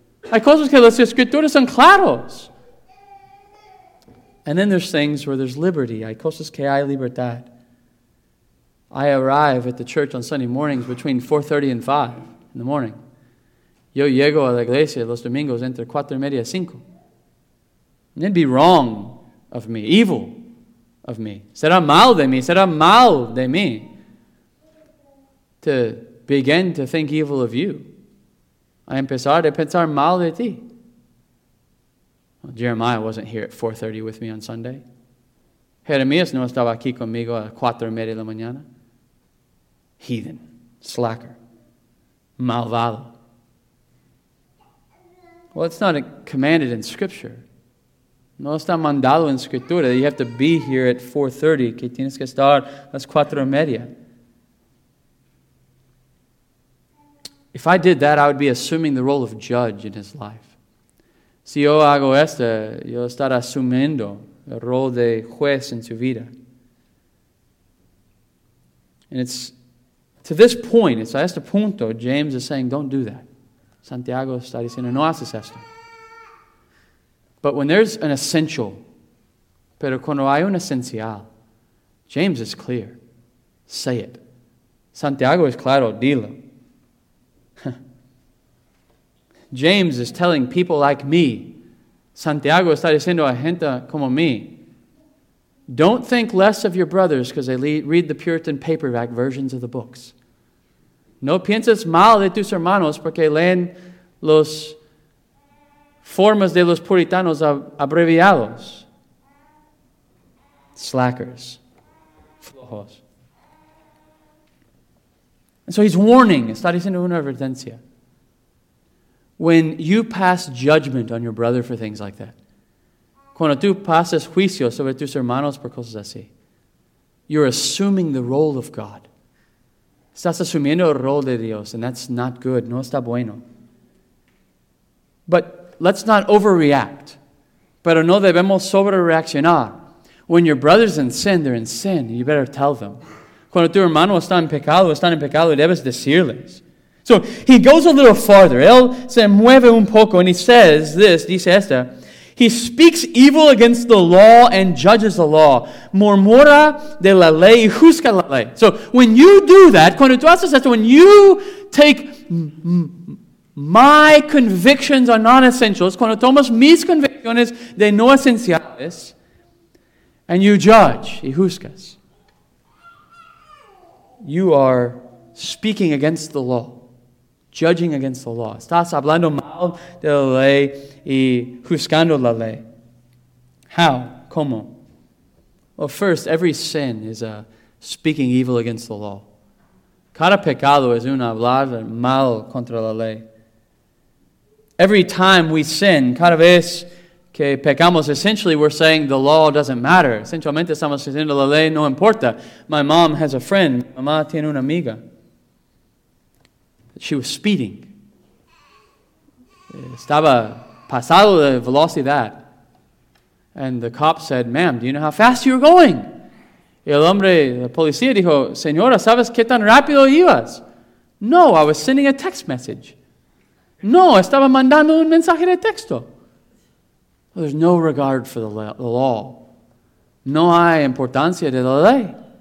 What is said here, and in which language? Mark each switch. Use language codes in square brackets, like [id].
[es] Hay cosas que las escrituras son claras. [en] And then there's things where there's liberty. [es] Hay cosas que hay libertad. [en] I arrive at the church on Sunday mornings between 4:30 and 5 in the morning. [es] Yo llego a la iglesia los domingos entre 4:30 y 5. [en] And it'd be wrong of me, evil of me. [es] Será mal de mí. [en] To begin to think evil of you. [es] A empezar a pensar mal de ti. [en] Jeremiah wasn't here at 4:30 with me on Sunday. [es] Jeremías no estaba aquí conmigo a 4:30 de la mañana. [en] Heathen, slacker, malvado. Well, it's not commanded in Scripture. [es] No está mandado en Escritura. [en] You have to be here at 4:30. [es] Que tienes que estar a las 4:30. [en] If I did that, I would be assuming the role of judge in his life. [es] Si yo hago esto, yo estaré asumiendo el rol de juez en su vida. [en] And it's to this point, it's [es] a este punto, [en] James is saying, don't do that. [es] Santiago está diciendo, no haces esto. [en] But when there's an essential, [es] pero cuando hay un esencial, [en] James is clear. Say it. [es] Santiago es claro, dilo. [en] James is telling people like me, [es] Santiago está diciendo a gente como mí, [en] don't think less of your brothers because they read the Puritan paperback versions of the books. [es] No pienses mal de tus hermanos porque leen los formas de los puritanos abreviados. Slackers. Flojos. [en] And so he's warning. [es] Está diciendo una advertencia. [en] When you pass judgment on your brother for things like that, [es] cuando tú pasas juicio sobre tus hermanos por cosas así, [en] you're assuming the role of God. [es] Estás asumiendo el rol de Dios, [en] and that's not good. [es] No está bueno. [en] But let's not overreact. [es] Pero no debemos sobrereaccionar. [en] When your brother's in sin, they're in sin. You better tell them. [es] Cuando tu hermano está en pecado, debes decirles. [en] So he goes a little farther. [es] Él se mueve un poco, [en] and he says this, [es] dice esta. [en] He speaks evil against the law and judges the law. [es] Murmura de la ley y juzga la ley. [en] So when you do that, [es] cuando tú haces esto, [en] when you take my convictions are non-essentials, [es] cuando tomas mis convicciones de no esenciales, [en] and you judge [es] y juzgas, [en] you are speaking against the law. Judging against the law. [es] Estás hablando mal de la ley y juzgando la ley. [en] How? [es] ¿Cómo? [en] Well, first, every sin is a speaking evil against the law. [es] Cada pecado es un hablar mal contra la ley. [en] Every time we sin, [es] cada vez que pecamos, [en] essentially we're saying the law doesn't matter. [es] Esencialmente estamos diciendo la ley no importa. [en] My mom has a friend. [es] Mamá tiene una amiga. [en] She was speeding. [es] Estaba pasado de velocidad. [en] And the cop said, ma'am, do you know how fast you were going? [es] Y el hombre, la policía, dijo, señora, ¿sabes qué tan rápido ibas? [en] No, I was sending a text message. [es] No, estaba mandando un mensaje de texto. [en] Well, there's no regard for the law. [es] No hay importancia de la ley.